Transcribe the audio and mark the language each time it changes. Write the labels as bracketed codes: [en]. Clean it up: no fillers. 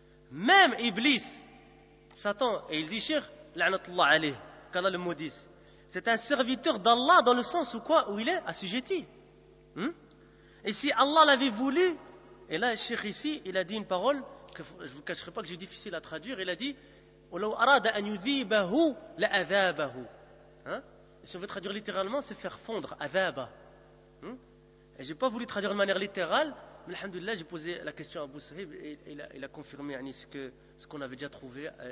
[fr] Même Iblis, Satan, et il dit shir la'natullah alayh, qu'Allah le maudisse. C'est un serviteur d'Allah dans le sens où quoi? Où il est assujetti. Et si Allah l'avait voulu, et là, le Cheikh ici, il a dit une parole que je ne vous cacherai pas que j'ai difficile à traduire. Il a dit [ar] وَلَوْ أَرَادَ أَنْ يُذِيبَهُ لَأَذَابَهُ. [fr] Et si on veut traduire littéralement, c'est faire fondre, أَذَابَ. Et je n'ai pas voulu traduire de manière littérale, mais alhamdoulilah, j'ai posé la question à Abu Sahib et il a confirmé ce qu'on avait déjà trouvé.